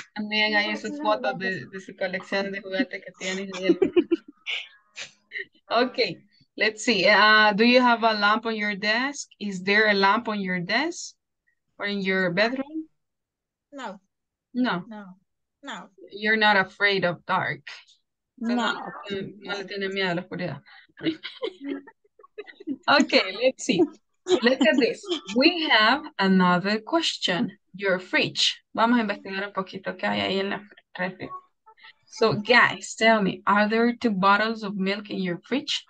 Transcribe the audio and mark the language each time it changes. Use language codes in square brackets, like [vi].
[es] También hay esas fotos de su colección de juguetes que tiene. [en] Okay. Let's see. Do you have a lamp on your desk? Is there a lamp on your desk or in your bedroom? No. No. No. No. You're not afraid of dark. No. [es] No tiene miedo a la oscuridad. [en] Okay, let's see. Look at this. We have another question. Your fridge. [es] Vamos a investigar un poquito qué hay ahí en la fridge. [en] So guys, tell me, are there 2 bottles of milk in your fridge?